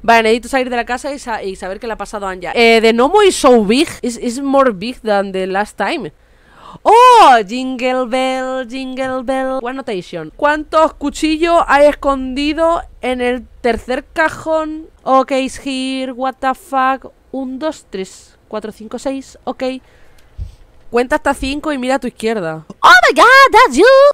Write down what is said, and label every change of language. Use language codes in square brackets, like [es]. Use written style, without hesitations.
[es] Vale, necesito salir de la casa y saber qué le ha pasado a Anya. [en] The gnomo is so big. It's more big than the last time. ¡Oh! Jingle bell, jingle bell. One notation. [es] ¿Cuántos cuchillos hay escondido en el tercer cajón? [en] Ok, it's here. What the fuck. 1, 2, 3, 4, 5, 6. Ok. [es] Cuenta hasta 5 y mira a tu izquierda. [en] ¡Oh, my God! ¡That's you!